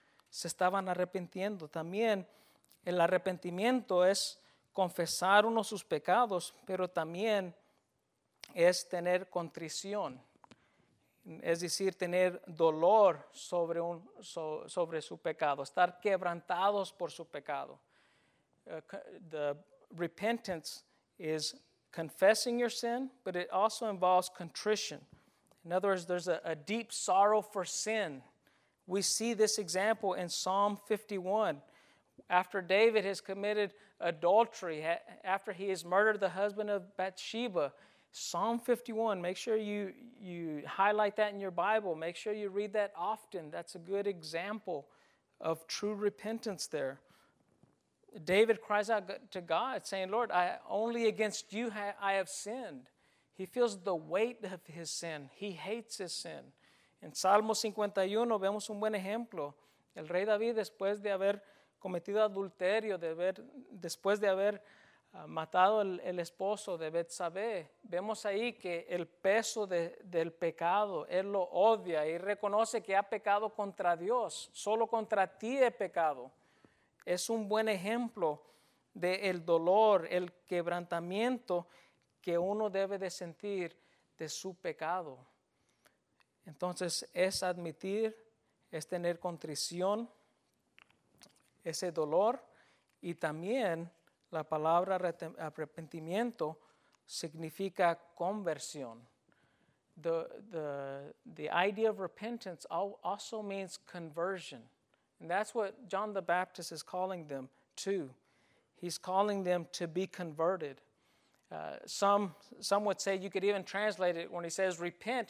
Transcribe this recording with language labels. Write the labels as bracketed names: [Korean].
[Spanish] Se estaban arrepintiendo. También el arrepentimiento es confesar uno sus pecados, pero también es tener contrición. Es decir, tener dolor sobre su pecado, estar quebrantados por su pecado. [English] The repentance is confessing your sin, but it also involves contrition. In other words, there's a deep sorrow for sin. We see this example in Psalm 51. After David has committed adultery, after he has murdered the husband of Bathsheba, Psalm 51, make sure you highlight that in your Bible. Make sure you read that often. That's a good example of true repentance there. David cries out to God saying, Lord, I only against you I have sinned. He feels the weight of his sin. He hates his sin. [Spanish] En Salmo 51 vemos un buen ejemplo. El rey David, después de haber cometido adulterio, después de haber matado el esposo de Betsabé, vemos ahí que el peso del pecado, él lo odia y reconoce que ha pecado contra Dios. Solo contra ti he pecado. Es un buen ejemplo de el dolor, el quebrantamiento que uno debe de sentir de su pecado. Entonces, es admitir, es tener contrición, ese dolor. Y también la palabra arrepentimiento significa conversión. [English] The idea of repentance also means conversion. And that's what John the Baptist is calling them to. He's calling them to be converted. Some would say you could even translate it when he says repent.